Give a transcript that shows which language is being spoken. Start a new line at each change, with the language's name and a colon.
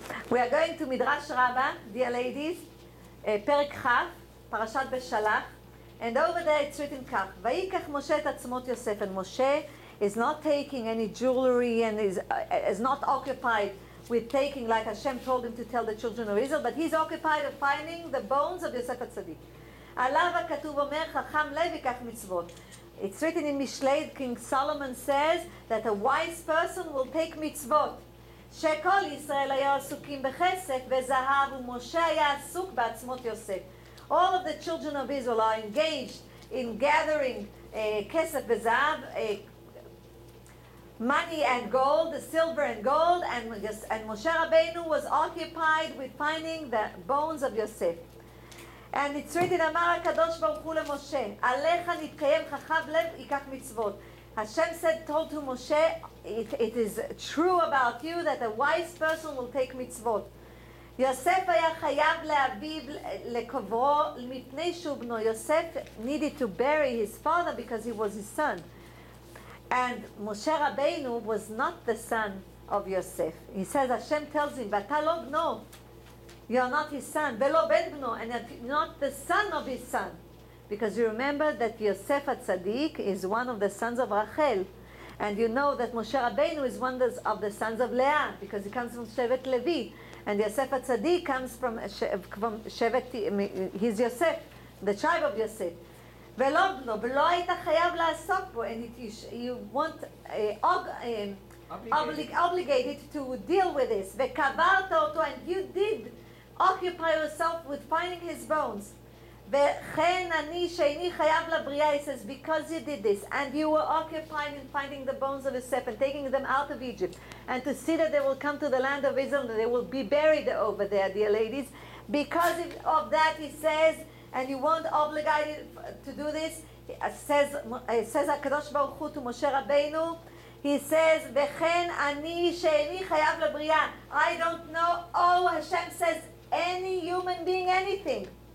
English: We are going to Midrash Rabbah, dear ladies, Perek Chaf, Parashat Beshalach. And over there it's written Kaf. Vayikach Moshe Tatzmot Yosef. And Moshe is not taking any jewelry and is not occupied with taking, like Hashem told him to tell the children of Israel, but he's occupied of finding the bones of Yosef HaTzadik.
Hebrew: עליו הכתוב אומר, חכם לב ייקח מצוות.
English: It's written in Mishlei, King Solomon says that a wise person will take mitzvot.
Hebrew: שכל ישראל היו עסוקים בחסד וזהב, ומשה היה עסוק בעצמות יוסף.
English: All of the children of Israel are engaged in gathering
Hebrew: כסף וזהב,
English: money and gold, the silver and gold, and Moshe Rabbeinu was occupied with finding the bones of Yosef. And it's written,
Hebrew: אמר הקדוש ברוך הוא למשה, עליך נתקיים חכב לב ייקח מצוות.
English: Hashem said, told to Moshe, it is true about you that a wise person will take mitzvot.
Hebrew: יוסף היה חייב להביא לקוברו מפני שהוא בנו.
English: יוסף needed to bury his father because he was his son. And Moshe Rabbeinu was not the son of Yosef. He says, Hashem tells him,
Hebrew: ואתה לא בנו,
English: you're not his son,
Hebrew: ולא בן בנו,
English: and you're not the son of his son. Because you remember that Yosef HaTzadik is one of the sons of Rachel. And you know that Moshe Rabbeinu is one of the sons of Leah, because he comes from Shevet Levi. And Yosef HaTzadik comes from Shevet, he's Yosef, the tribe of Yosef.
Hebrew: ולא בנו, ולא היית חייב לעסוק בו,
English: and it is, you want obligated to deal with this.
Hebrew: וקברת אותו,
English: and you did occupy yourself with finding his bones.
Hebrew: וכן אני שאיני חייב לבריאה,
English: he says, because you did this, and you were occupied in finding the bones of Yosef and taking them out of Egypt, and to see that they will come to the land of Israel, that they will be buried over there, dear ladies, because of that, he says, and you weren't obligated to do this, says HaKadosh Baruch Hu to Moshe Rabbeinu, he says, וכן אני שאיני חייב לבריאה, I don't know, oh, Hashem says, any human being, anything,